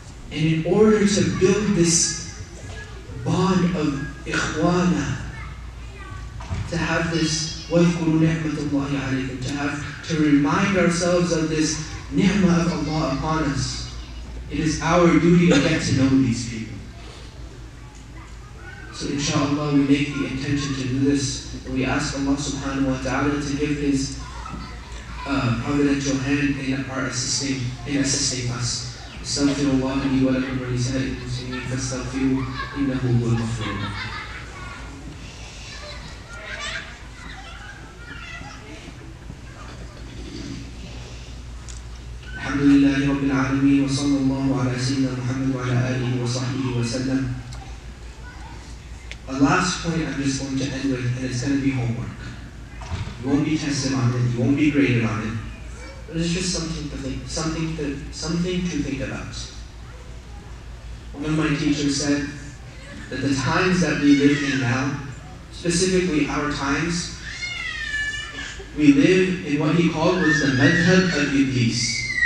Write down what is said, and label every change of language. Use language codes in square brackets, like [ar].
[en] And in order to build this bond of ikhwana, to have this [ar] وَذْكُرُ نِعْمَةُ اللَّهِ عَلَيْكُمْ, [en] to remind ourselves of this ni'mah of Allah upon us, it is our duty to get to know these people. So inshallah, we make the intention to do this, and we ask Allah [ar] subhanahu wa ta'ala [en] to give His providential hand in our assisting us. [ar] استغفر الله لي ولكم ولسائر المسلمين فاستغفروه انه هو الغفور. الحمد لله رب العالمين وصلى الله على سيدنا محمد وعلى اله وصحبه وسلم. [en] The last point I'm just going to end with, and it's going to be homework. You won't be tested on it, you won't be graded on it. But it's just something to think about. One of my teachers said that the times that we live in now, specifically our times, we live in what he called was the madhab of Iblis.